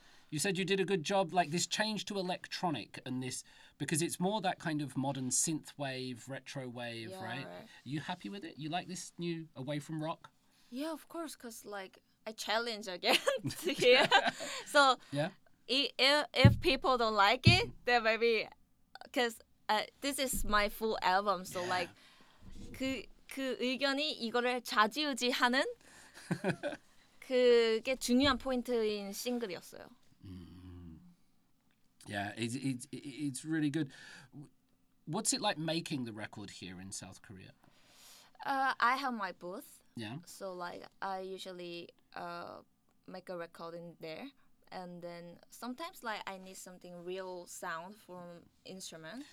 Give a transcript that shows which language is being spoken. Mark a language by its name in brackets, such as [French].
[English] You said you did a good job, like this change to electronic and this, because it's more that kind of modern synth wave, retro wave, yeah, right? Are you happy with it? You like this new away from rock? Yeah, of course, because like I challenge again here. So yeah? if people don't like it, then maybe, because this is my full album. So yeah. [Korean] Like, 그 의견이 이거를 좌지우지하는 그게 중요한 포인트인 싱글이었어요. [English] Yeah, it's really good. What's it like making the record here in South Korea? I have my booth. Yeah. So like I usually make a recording there, and then sometimes like I need something real sound from instrument.